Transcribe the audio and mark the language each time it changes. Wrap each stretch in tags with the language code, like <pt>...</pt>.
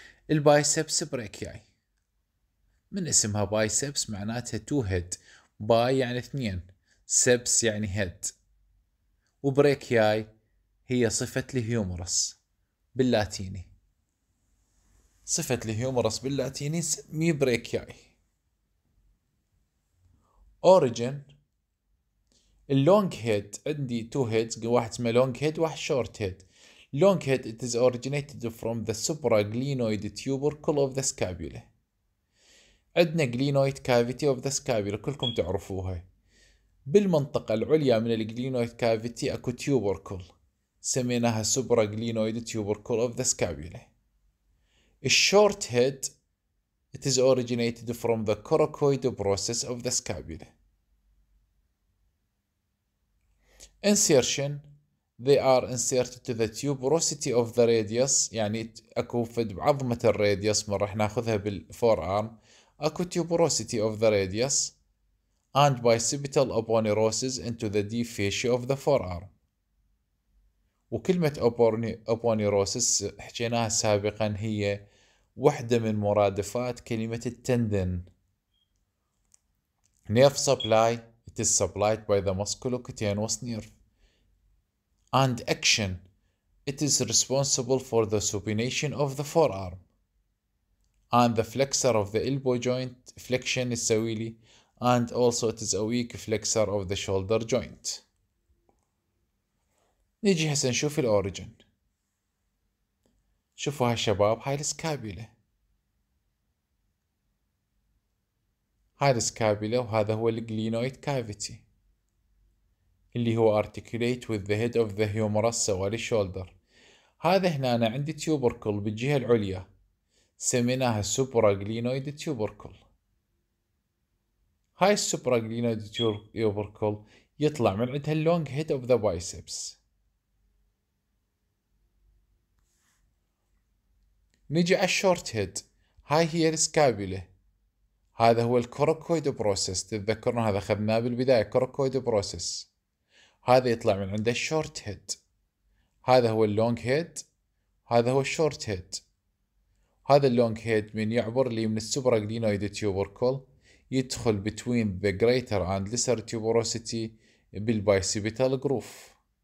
<ar>البايسبس بريكياي من اسمها بايسبس معناتها</ar> <en>two head,</en> <ar>باي يعني اثنين، سبس يعني هيد، وبريكياي هي صفه الهيومرس باللاتيني، صفه الهيومرس باللاتيني مي بريكياي.</ar> <en>Origin long head،</en> <ar>عندي</ar> <en>two heads،</en> <ar>واحد اسمه</ar> <en>long head واحد short head. Long head it is originated from the supraglenoid tubercle of the scapula.</en> <ar>عندنا glenoid cavity of the scapula كلكم تعرفوها، بالمنطقة العليا من الglenoid cavity اكو tubercle سميناها supraglenoid tubercle of the scapula.</ar> <en>Short head it is originated from the coracoid process of the scapula. Insertion they are inserted to the tuberosity of the radius،</en> <ar>يعني اكو فد بعظمة الراديوس من راح ناخذها بالفورارم، اكو</ar> <en>tuberosity of the radius and bicipital aponeurosis into the deep fascia of the forearm.</en> <ar>وكلمة aponeurosis حكيناها سابقا هي وحدة من مرادفات كلمة التندن.</ar> <en>Nerve supply it is supplied by the musculocutaneous nerve. And action it is responsible for the supination of the forearm and the flexor of the elbow joint flexion</en> <ar>السويلي</ar> <en>and also it is a weak flexor of the shoulder joint.</en> <ar>نيجي هسه نشوف الاوريجن، شوفوا هالشباب هاي السكابيولا، هاي السكابيولا وهذا هو الجلينويد كافيتي اللي هو</ar> <en>articulate with the head of the humerus</en> <ar>سوالي shoulder. هذا هنا أنا عندي تيوبركل بالجهة العليا سميناها supraglenoid tubercle. هاي supraglenoid tubercle يطلع من عندها long head of the biceps. نجي على short head. هاي هي الاسكابيولا. هذا هو الكروكويد بروسس. تتذكرون هذا خذناه بالبداية كروكويد بروسس. هذا يطلع من عنده short head. هذا هو اللونج هيد، هذا هو الشورت هيد. هذا اللونج هيد من يعبر لي من السوبراجلينويد تيوبركل يدخل</ar> <en>بتوين ذا جريتر اند لسر تيوبروسيتي</en> <ar>بالبايسيبيتال جروف.</ar>